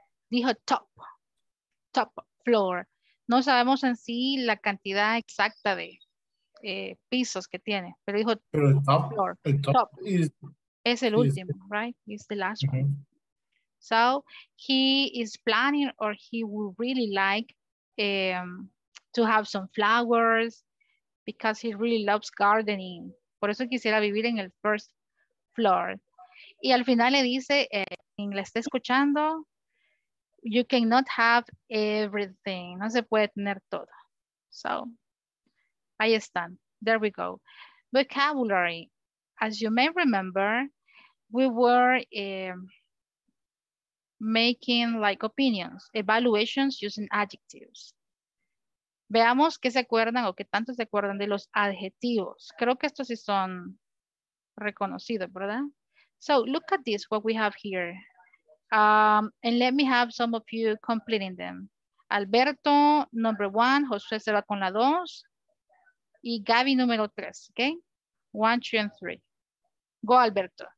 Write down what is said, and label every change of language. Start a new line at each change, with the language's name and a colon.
Spanish: Dijo top floor. No sabemos en sí la cantidad exacta de pisos que tiene, pero dijo
English: top floor,
Spanish: el último,
English: right? It's the last one. So he is planning, or he would really like to have some flowers because he really loves gardening.
Spanish: Por eso quisiera vivir en el first floor. Y al final le dice, en la está escuchando,
English: you cannot have everything.
Spanish: No se puede tener todo. So ahí están.
English: There we go.
Spanish: Vocabulary.
English: As you may remember, we were making like opinions, evaluations using adjectives.
Spanish: Veamos qué se acuerdan o qué tanto se acuerdan de los adjetivos. Creo que estos sí son reconocidos, ¿verdad?
English: So look at this, what we have here. And let me have some of you completing them.
Spanish: Alberto, number one, Josué se va con la dos.
English: Y Gaby,
Spanish: número tres,
English: okay? One, two, and three. Go, Alberto.